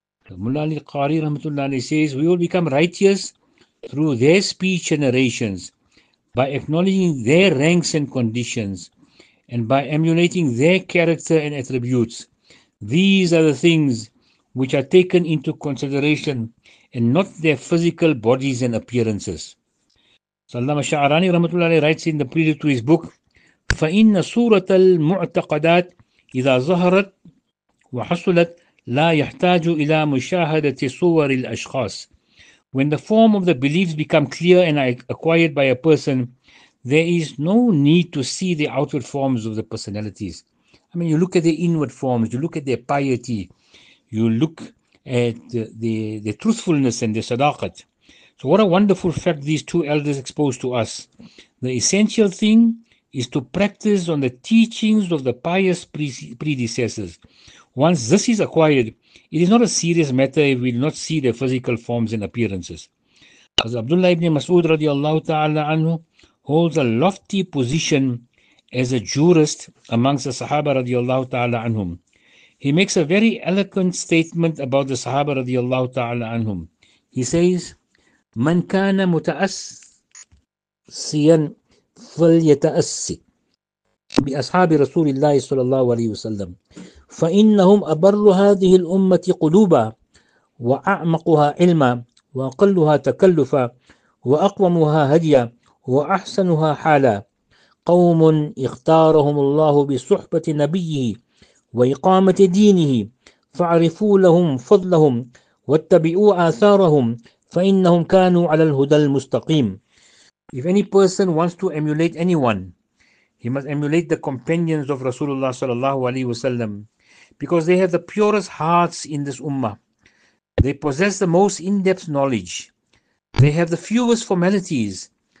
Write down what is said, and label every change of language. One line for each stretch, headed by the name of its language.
English: Mullah Ali Qari Rahmatullah Ali says, we will become righteous through their speech and narrations, by acknowledging their ranks and conditions, and by emulating their character and attributes. These are the things which are taken into consideration and not their physical bodies and appearances. Allama Sha'arani Rahmatullah Ali writes in the prelude to his book,
Arabic: فَإِنَّ سُورَةَ الْمُعْتَقَدَاتِ إِذَا ظَهَرَتْ وَحَصُلَتْ لَا يَحْتَاجُ إِلَى مُشَاهَدَةِ صُورِ الْأَشْخَاصِ.
English: When the form of the beliefs become clear and are acquired by a person, there is no need to see the outward forms of the personalities. I mean, you look at the inward forms, you look at their piety, you look at the truthfulness and the sadaqat. So what a wonderful fact these two elders expose to us. The essential thing is to practice on the teachings of the pious predecessors. Once this is acquired, it is not a serious matter if we do not see their physical forms and appearances. As Abdullah ibn Mas'ud radiallahu ta'ala anhu holds a lofty position as a jurist amongst the Sahaba radiallahu ta'ala anhum. He makes a very eloquent statement about the Sahaba radiallahu ta'ala anhum. He says,
Arabic: من كان متأسيا فليتأسي بأصحاب رسول الله صلى الله عليه وسلم فإنهم أبر هذه الأمة قلوبا وأعمقها علما وأقلها تكلفا وأقومها هديا وأحسنها حالا قوم اختارهم الله بصحبة نبيه وإقامة دينه فاعرفوا لهم فضلهم واتبعوا آثارهم فَإِنَّهُمْ كَانُوا عَلَى الْهُدَى الْمُسْتَقِيمِ.
English: If any person wants to emulate anyone, he must emulate the companions of Rasulullah sallallahu alayhi wasallam, because they have the purest hearts in this ummah. They possess the most in-depth knowledge. They have the fewest formalities.